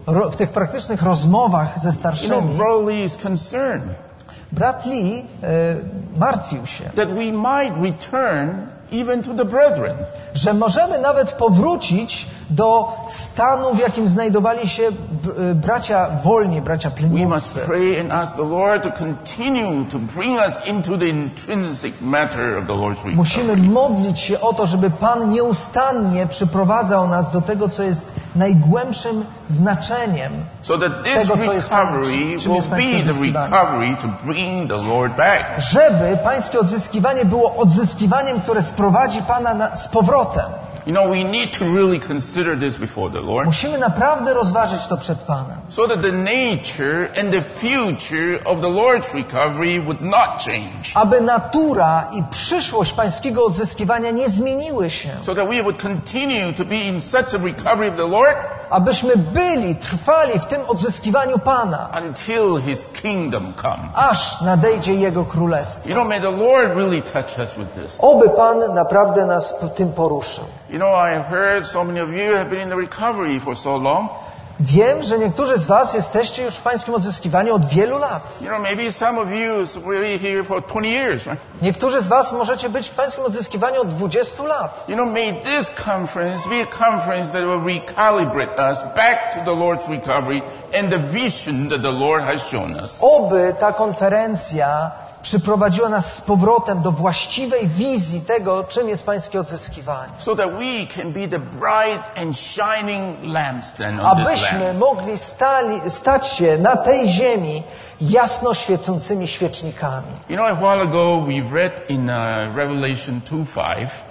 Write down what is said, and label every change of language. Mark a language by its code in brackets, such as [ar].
[pl] W tych praktycznych rozmowach ze starszymi, [en] you know, Brother Lee is concerned. [pl] Brat Lee martwił się, [en] that we might return even to the brethren, [pl] że możemy nawet powrócić do stanu, w jakim znajdowali się bracia wolni, bracia plemiennicy. [en] We must pray and ask the Lord to continue to bring us into the intrinsic matter of the Lord's recovery. [pl] Musimy modlić się o to, żeby Pan nieustannie przyprowadzał nas do tego, co jest najgłębszym znaczeniem [en] so that this [pl] tego, co jest [en] recovery [pl] Pan, [en] will be the recovery to bring the Lord back. [pl] Żeby Pańskie odzyskiwanie było odzyskiwaniem, które sprowadzi Pana z powrotem. [en] You know, we need to really consider this before the Lord. [pl] Musimy naprawdę rozważyć to przed Panem. [en] So that the nature and the future of the Lord's recovery would not change. [pl] Aby natura i przyszłość Pańskiego odzyskiwania nie zmieniły się. [en] So that we would continue to be in such a recovery of the Lord. [pl] Abyśmy byli, trwali w tym odzyskiwaniu Pana. [en] Until his kingdom come. [pl] Aż nadejdzie Jego Królestwo. [en] You know, may the Lord really touch us with this. [pl] Oby Pan naprawdę nas tym poruszył. [en] You know, I have heard so many of you have been in the recovery for so long. [pl] Wiem, że niektórzy z was jesteście już w Pańskim odzyskiwaniu od wielu lat. [en] You know, maybe some of you really here for 20 years, right? [pl] Niektórzy z was możecie być w Pańskim odzyskiwaniu od 20 lat. [en] You know, may this conference be a conference that will recalibrate us back to the Lord's recovery and the vision that the Lord has shown us. [pl] Oby ta konferencja przyprowadziła nas z powrotem do właściwej wizji tego, czym jest Pańskie odzyskiwanie. [en] So that we can be the bright and shining lampstand on this land. [pl] Abyśmy mogli stać się na tej ziemi jasno świecącymi świecznikami. [en] You know, a while ago we read in Revelation 2:5.